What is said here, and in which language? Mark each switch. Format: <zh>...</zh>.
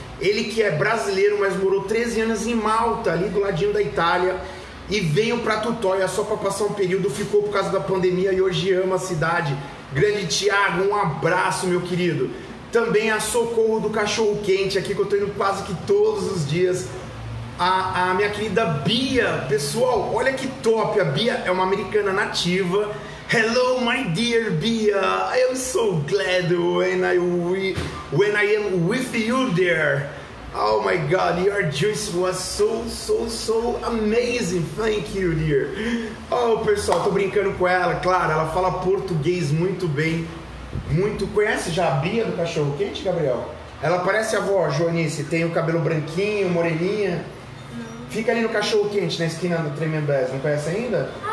<pt>Ele que é brasileiro, mas morou 13 anos em Malta, ali do ladinho da Itália, e veio pra Tutóia só pra passar um período, ficou por causa da pandemia e hoje ama a cidade. Grande Tiago, um abraço, meu querido. Também a Socorro do Cachorro Quente, aqui que eu tô indo quase que todos os dias. A minha querida Bia, pessoal, olha que top, a Bia é uma americana nativa.</pt> <en>Hello, my dear Bia, I'm so glad when I am with you there. Oh my God, your juice was so amazing, thank you, dear.</en> <pt>Oh, pessoal, tô brincando com ela, claro, ela fala português muito bem, muito. Conhece já a Bia do Cachorro Quente, Gabriel? Ela parece a avó, Joanice, tem o cabelo branquinho, moreninha. Fica ali no Cachorro Quente, na esquina do Tremembés, não conhece ainda?</pt>